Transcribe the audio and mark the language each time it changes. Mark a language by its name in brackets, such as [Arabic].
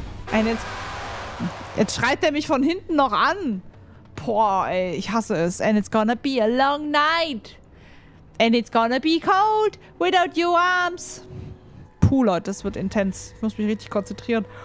[German] Und jetzt schreit er mich von hinten noch an. Boah, ey, ich hasse es. [English] And it's gonna be a long night. And it's gonna be cold without your arms. [German] Puh, Leute, das wird intens. Ich muss mich richtig konzentrieren.